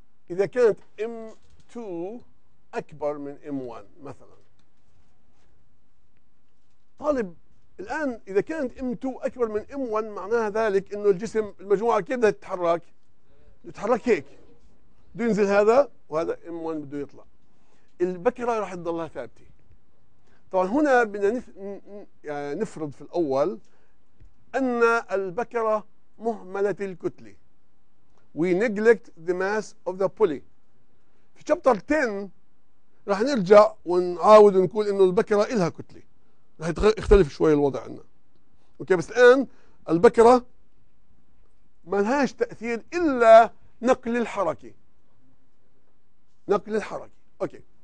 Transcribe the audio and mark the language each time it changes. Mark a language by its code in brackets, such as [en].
[ar] إذا كانت M2 أكبر من M1 مثلا، طالب الآن إذا كانت M2 أكبر من M1 معناها ذلك أنه الجسم المجموعة كيف بدها تتحرك؟ يتحرك هيك، بده ينزل هذا وهذا M1 بده يطلع، البكرة راح تضلها ثابتة. طبعا هنا بدنا نفرض في الأول أن البكرة مهملة الكتلة. [en] We neglect the mass of the pulley. [ar] في شابتر 10 راح نرجع ونعاود ونقول إنه البكرة إلها كتلة. راح يختلف شوي الوضع عندنا. أوكي، بس الآن البكرة ما لهاش تأثير إلا نقل الحركة. نقل الحركة. أوكي.